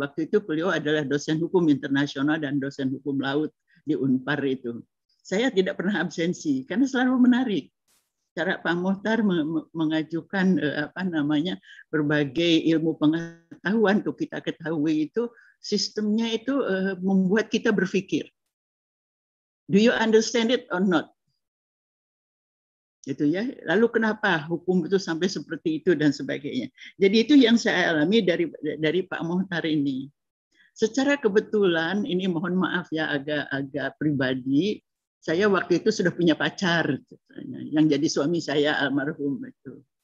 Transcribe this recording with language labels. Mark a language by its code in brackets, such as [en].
[id] Waktu itu beliau adalah dosen hukum internasional dan dosen hukum laut di Unpar itu. Saya tidak pernah absensi karena selalu menarik. Cara Pak Mohtar mengajukan berbagai ilmu pengetahuan untuk kita ketahui itu, sistemnya itu membuat kita berpikir. [en] Do you understand it or not? [id] Gitu ya. Lalu kenapa hukum itu sampai seperti itu dan sebagainya. Jadi itu yang saya alami dari Pak Mohtar ini. Secara kebetulan, ini mohon maaf ya agak pribadi, saya waktu itu sudah punya pacar yang jadi suami saya almarhum itu.